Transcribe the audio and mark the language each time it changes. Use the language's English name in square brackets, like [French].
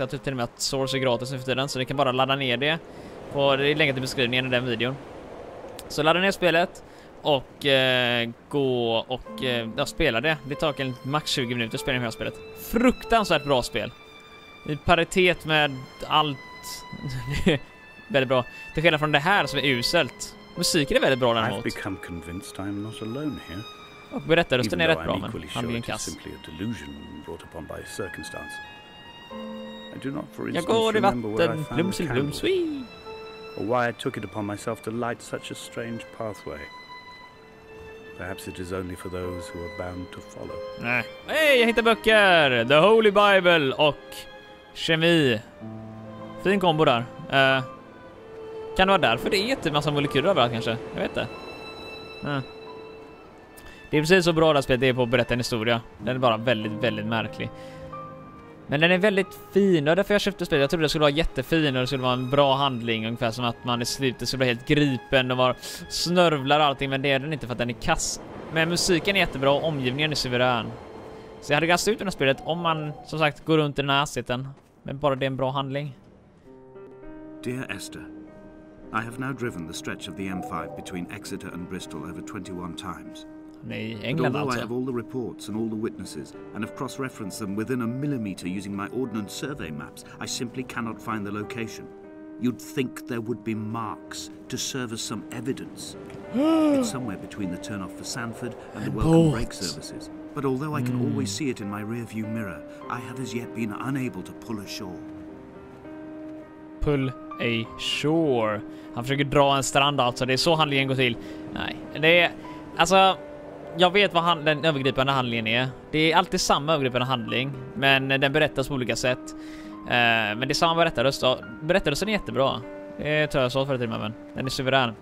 [Swedish] Jag tror till och med att Source är gratis för tiden. Så ni kan bara ladda ner det. Det är länge till beskrivningen i den videon. Så ladda ner spelet. Och gå och spela det. Det tar en max 20 minuter spelning med spelet. Fruktansvärt bra spel. I paritet med allt. Väldigt bra. Till skillnad från det här som är uselt. Musiken är väldigt bra däremot. [English] I've become convinced I'm not alone here. [Swedish] Och berättarrösten är rätt bra, men handlingen kass. [English] Simply a delusion brought upon by circumstance. I do not for instance remember where I found the candle. Blumsy, blumsy. Or why I took it upon myself to light such a strange pathway. Perhaps it is only for those who are bound to follow. [Swedish] Nej. Hey, jag hittar böcker! The Holy Bible och kemi. Fin kombo där. Kan det vara där? För det är typ massa molekyler överallt kanske. Jag vet det. Det är precis så bra det här spelet är på att berätta en historia. Den är bara väldigt, väldigt märklig. Men den är väldigt fin. Det är därför jag köpte spelet. Jag trodde det skulle vara jättefin och det skulle vara en bra handling. Ungefär som att man i slutet skulle vara helt gripen och bara snörvlar och allting. Men det är den inte för att den är kass. Men musiken är jättebra och omgivningen är suverän. Så jag hade ganska ut i det här spelet om man som sagt går runt i den här assiten. Men bara det är en bra handling. [English] Dear Esther, I have now driven the stretch of the M5 between Exeter and Bristol over 21 times. [Swedish] Nej, England alltså. [English] I have all the reports and all the witnesses and have cross-referenced them within a millimeter using my ordnance survey maps, I simply cannot find the location. You'd think there would be marks to serve as some evidence. It's somewhere between the turnoff for Sanford and the welcome brake services. But although I can always see it in my rearview mirror, I have as yet been unable to pull ashore. Pull ashore. [Swedish] Han försöker dra en strand alltså. Det är så handlingen går till. Nej, det är... Alltså, jag vet vad den övergripande handlingen är. Det är alltid samma övergripande handling, men den berättas på olika sätt. Men det är samma berättarröst. Berättarrösten är jättebra. Det tror jag sa förut till mig, men den är suverän.